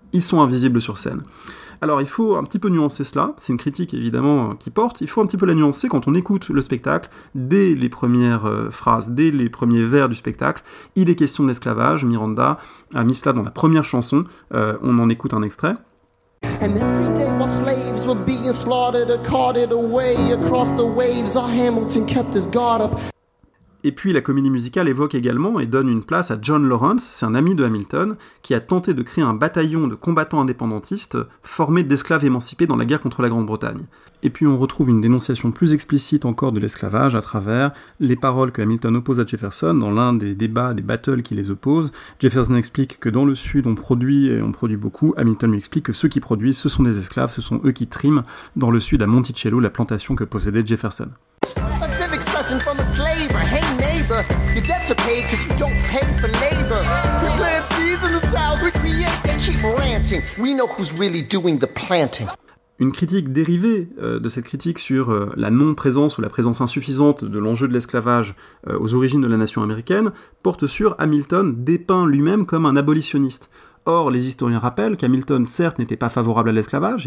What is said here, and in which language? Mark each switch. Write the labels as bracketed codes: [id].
[fr] Ils sont invisibles sur scène. Alors, il faut un petit peu nuancer cela, c'est une critique évidemment qui porte, il faut un petit peu la nuancer quand on écoute le spectacle, dès les premières phrases, dès les premiers vers du spectacle, il est question de l'esclavage, Miranda a mis cela dans la première chanson, on en écoute un extrait. [en] And every day while slaves were being slaughtered or carted away across the waves, our Hamilton kept his guard up. [fr] Et puis la comédie musicale évoque également et donne une place à John Lawrence, c'est un ami de Hamilton, qui a tenté de créer un bataillon de combattants indépendantistes formés d'esclaves émancipés dans la guerre contre la Grande-Bretagne. Et puis on retrouve une dénonciation plus explicite encore de l'esclavage à travers les paroles que Hamilton oppose à Jefferson dans l'un des débats, des battles qui les opposent. Jefferson explique que dans le Sud on produit et on produit beaucoup, Hamilton lui explique que ceux qui produisent ce sont des esclaves, ce sont eux qui triment dans le Sud à Monticello, la plantation que possédait Jefferson. [en] From a slave or hey neighbor, your debts are paid cause you don't pay for labor. We plant seeds in the south, we create, they keep ranting. We know who's really doing the planting. [fr] Une critique dérivée de cette critique sur la non-présence ou la présence insuffisante de l'enjeu de l'esclavage aux origines de la nation américaine porte sur Hamilton dépeint lui-même comme un abolitionniste. Or, les historiens rappellent qu'Hamilton, certes, n'était pas favorable à l'esclavage.